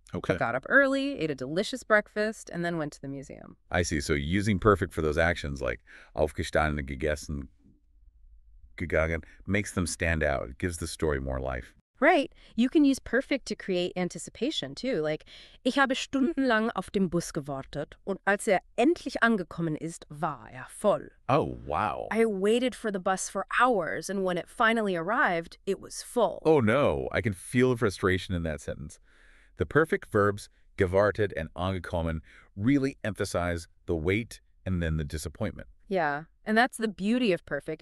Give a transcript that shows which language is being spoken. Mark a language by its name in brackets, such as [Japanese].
[English] Okay. I got up early, ate a delicious breakfast, and then went to the museum. I see. So using perfect for those actions like aufgestanden, gegessen, gegangen makes them stand out. It gives the story more life. Right. You can use perfect to create anticipation, too. Like, [German] ich habe stundenlang auf dem Bus gewartet und als endlich angekommen ist, war voll. [English] Oh, wow. I waited for the bus for hours, and when it finally arrived, it was full. Oh, no. I can feel the frustration in that sentence. The perfect verbs gewartet and angekommen really emphasize the wait and then the disappointment. Yeah. And that's the beauty of perfect.